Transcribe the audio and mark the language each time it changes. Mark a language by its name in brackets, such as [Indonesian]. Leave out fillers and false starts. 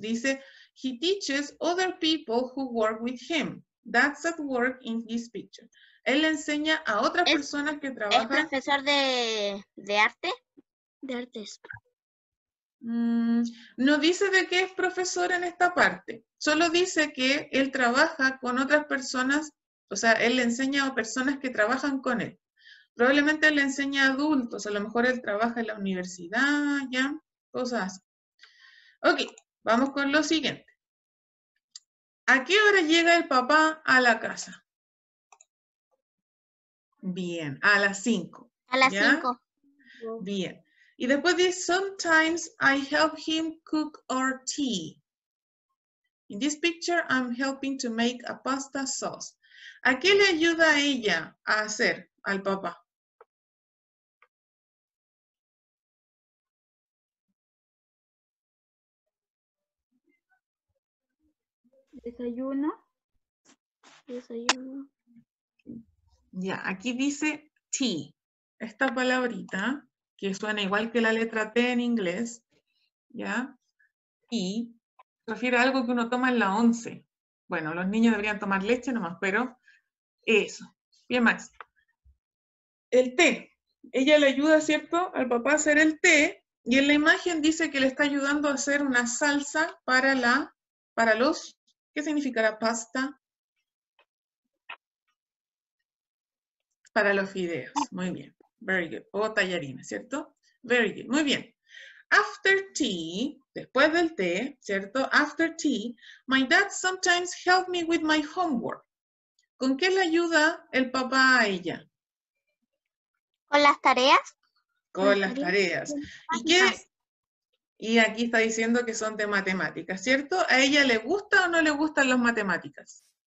[English] Dice, he teaches other people who work with him. That's at work in this picture. [Spanish] Él le enseña a otras personas que trabajan... ¿Es profesor de arte? De artes. No dice de qué es profesor en esta parte. Solo dice que él trabaja con otras personas, o sea, él le enseña a personas que trabajan con él. Probablemente le enseña a adultos, a lo mejor él trabaja en la universidad, ya, cosas así. Ok, vamos con lo siguiente. ¿A qué hora llega el papá a la casa? Bien, a las 5. A las 5. Bien. Y después dice, [English] sometimes I help him cook our tea. In this picture, I'm helping to make a pasta sauce. [Spanish] ¿A qué le ayuda a ella a hacer al papá? Desayuno. Desayuno. Ya, aquí dice tea. Esta palabrita, que suena igual que la letra T en inglés, ¿ya? Y refiere a algo que uno toma en la once. Bueno, los niños deberían tomar leche nomás, pero eso. Bien, Max. El té. Ella le ayuda, ¿cierto?, al papá a hacer el té, y en la imagen dice que le está ayudando a hacer una salsa para la, para los, ¿qué significa la pasta? Para los fideos. Muy bien. [English] Very good. [Spanish] O tallarines, ¿cierto? Very good. Muy bien. [English] After tea, [Spanish] después del té, ¿cierto? [English] After tea, my dad sometimes helps me with my homework. [Spanish] ¿Con qué le ayuda el papá a ella? Con las tareas. Con las tareas. ¿Y qué? Y aquí está diciendo que son de matemáticas, ¿cierto? ¿A ella le gusta o no le gustan las matemáticas?